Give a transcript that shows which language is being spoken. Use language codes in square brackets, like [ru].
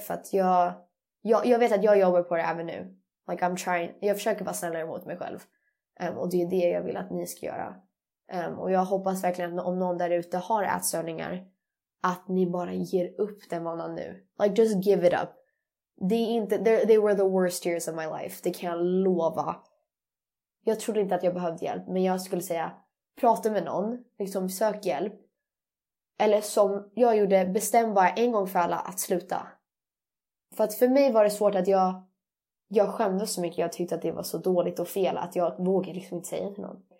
[sv] För att jag vet att jag jobbar på det även nu. [en] Like, I'm trying, [sv] jag försöker vara snällare mot mig själv. Och det är det jag vill att ni ska göra. Och jag hoppas verkligen att om någon där ute har ätstörningar, att ni bara ger upp den vanan nu. [en] Like, just give it up. They were the worst years of my life. [sv] Det kan jag lova. Jag trodde inte att jag behövde hjälp, men jag skulle säga, prata med någon, liksom sök hjälp. Eller som jag gjorde, bestäm bara en gång för alla att sluta. För att för mig var det svårt att jag skämde så mycket. Jag tyckte att det var så dåligt och fel att jag vågade liksom inte säga till någon.